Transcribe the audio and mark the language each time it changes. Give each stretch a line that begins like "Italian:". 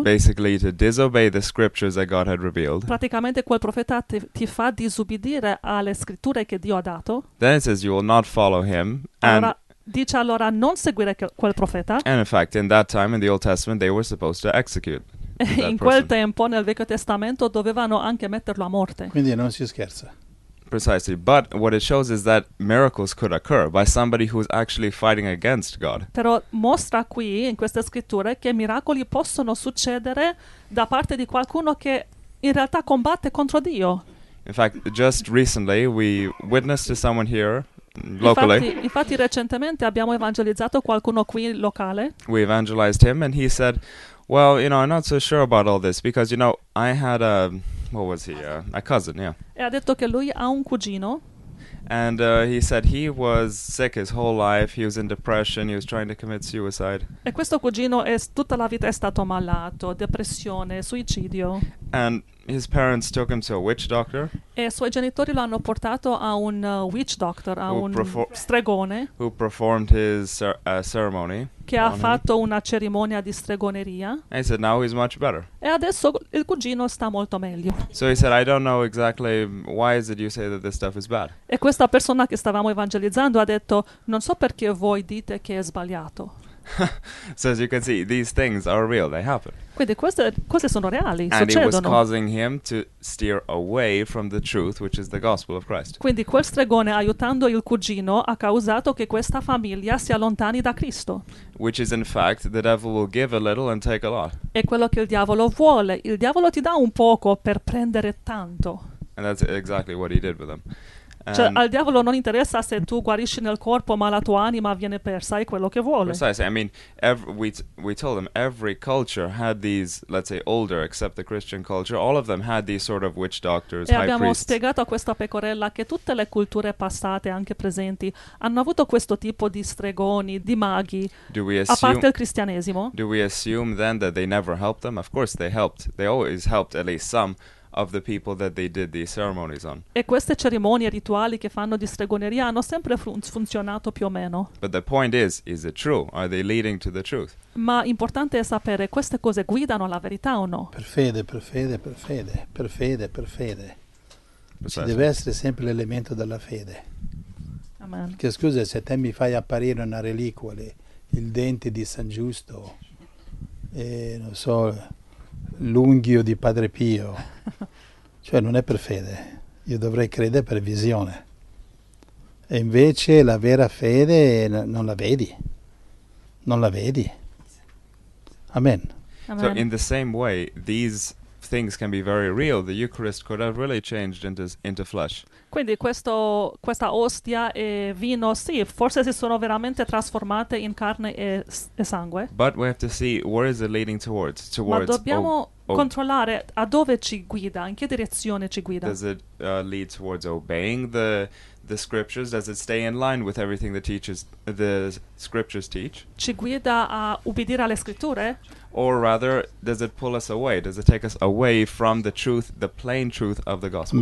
English: basically to disobey the scriptures that God had revealed,
Italian: praticamente quel profeta ti fa disubbidire alle scritture che Dio ha dato,
English: then it says you will not follow him, and
Italian: dice allora non seguire quel profeta.
English: And in fact, in that time in the Old Testament they were supposed to execute that
Italian: in quel
English: person.
Italian: Tempo nel Vecchio Testamento dovevano anche metterlo a morte. Quindi non si scherza.
English: Precisely, but what it shows is that miracles could occur by somebody who's actually fighting against God.
Italian: Però mostra qui in queste scritture che miracoli possono succedere da parte di qualcuno che in realtà combatte contro Dio.
English: In fact, just recently we witnessed to someone here.
Italian: Infatti recentemente abbiamo evangelizzato qualcuno qui locale.
English: We evangelized him and he said, well, you know, I'm not so sure about all this because, you know, I had a, what was he, a cousin, yeah.
Italian: E ha detto che lui ha un cugino.
English: And he said he was sick his whole life, he was in depression, he was trying to commit suicide.
Italian: E questo cugino tutta la vita è stato malato, depressione, suicidio.
English: And his parents took him to a witch doctor.
Italian: E suoi genitori lo hanno portato a un
English: witch doctor,
Italian: a un stregone.
English: Who performed his ceremony.
Italian: Che ha fatto una cerimonia di stregoneria.
English: And he said, now he's much better.
Italian: E adesso il cugino sta molto meglio.
English: So he said, I don't know exactly why is it you say that this stuff is bad.
Italian: E questa persona che stavamo evangelizzando ha detto, non so perché voi dite che è sbagliato.
English: So as you can see, these things are real, they happen.
Italian: Quindi queste cose sono reali,
English: and
Italian: succedono.
English: And it was causing him to steer away from the truth, which is the gospel of Christ.
Italian: Quindi quel stregone, aiutando il cugino, ha causato che questa famiglia si allontani da Cristo.
English: Which is in fact, the devil will give a little and take a lot.
Italian: È quello che il diavolo vuole. Il diavolo ti dà un poco per prendere tanto. And that's exactly what he did with them. Cioè, al diavolo non interessa se tu guarisci nel corpo, ma la tua anima viene persa, è quello che vuole.
English: Precisely. I mean, we told them every culture had these, let's say, older, except the Christian culture, all of them had these sort of witch doctors,
Italian: e abbiamo spiegato a questa pecorella che tutte le culture passate, anche presenti, hanno avuto questo tipo di stregoni, di maghi, a parte il cristianesimo.
English: Do we assume then that they never helped them? Of course they helped. They always helped, at least some, of the people that they did these ceremonies on.
Italian: E queste cerimonie rituali che fanno di stregoneria hanno sempre funzionato più o meno.
English: But the point is it true? Are they leading to the truth?
Italian: Ma importante è sapere queste cose guidano alla verità o no? Per fede. Ci deve essere sempre l'elemento della fede. Amen. Che scusa se te mi fai apparire una reliquia, il dente di San Giusto e non so l'unghio di Padre Pio, cioè non è per fede, io dovrei credere per visione, e invece la vera fede non la vedi. Amen.
English: So in the same way these things can be very real, the Eucharist could have really changed into flesh.
Italian: Quindi questa ostia e vino, sì, forse si sono veramente trasformate in carne e sangue.
English: But we have to see where is it leading towards? Towards
Italian: ma dobbiamo controllare a dove ci guida, in che direzione ci guida.
English: Does it lead towards obeying the scriptures? Does it stay in line with everything the scriptures teach?
Italian: Ci guida a ubbidire alle scritture?
English: Or rather, does it pull us away? Does it take us away from the truth, the plain truth of the gospel?